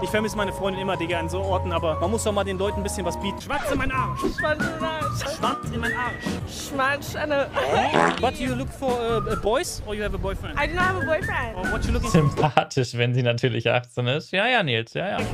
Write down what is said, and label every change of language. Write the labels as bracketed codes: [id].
[de] Ich vermisse meine Freundin immer, Digga, in so Orten. Aber man muss doch mal den Leuten ein bisschen was bieten. Schwanz in meinen Arsch. Schwanz in meinen Arsch. Schwanz in meinen Arsch. [en] But you look for boys or you have a boyfriend? I do not have a boyfriend. Or what you looking [de] Sympathisch, for? Wenn sie natürlich 18 ist. Ja, Nils. Ja, ja.